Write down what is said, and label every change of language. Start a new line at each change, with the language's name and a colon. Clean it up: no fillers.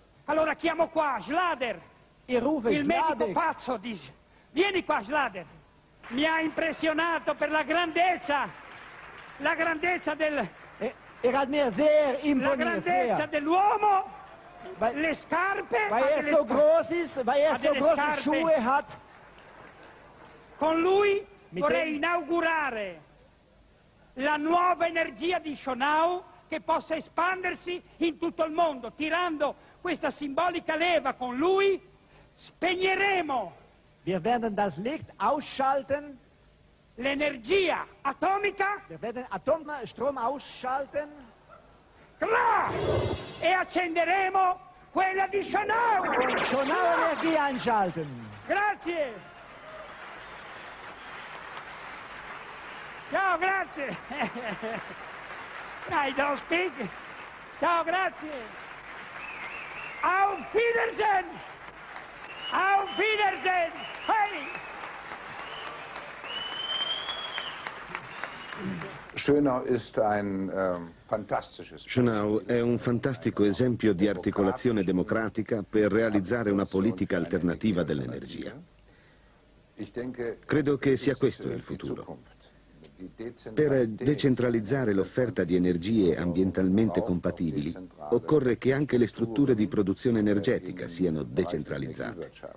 Italian: Allora chiamo qua Schlader, il medico pazzo, dice. Vieni qua Schlader, mi ha impressionato per la grandezza del...
German: Era mir sehr imponiert.
Italian: La grandezza dell'uomo, le scarpe...
German: Weil er so große Schuhe hat.
Italian: Con lui vorrei inaugurare... la nuova energia di Schonau che possa espandersi in tutto il mondo. Tirando questa simbolica leva con lui, spegneremo.
German: Wir werden das Licht ausschalten.
Italian: L'energia atomica.
German: Wir werden Atomstrom ausschalten. Klar!
Italian: E accenderemo quella di Schonauer.
German: Schonauer Energie einschalten.
Italian: Grazie. Ciao, grazie.
English: I don't speak.
Italian: Ciao, grazie.
German: Auf Wiedersehen. Auf Wiedersehen. Hey. Schönau ist ein fantastisches.
Italian: Schönau è un fantastico esempio di articolazione democratica per realizzare una politica alternativa dell'energia. Credo che sia questo il futuro. Per decentralizzare l'offerta di energie ambientalmente compatibili, occorre che anche le strutture di produzione energetica siano decentralizzate.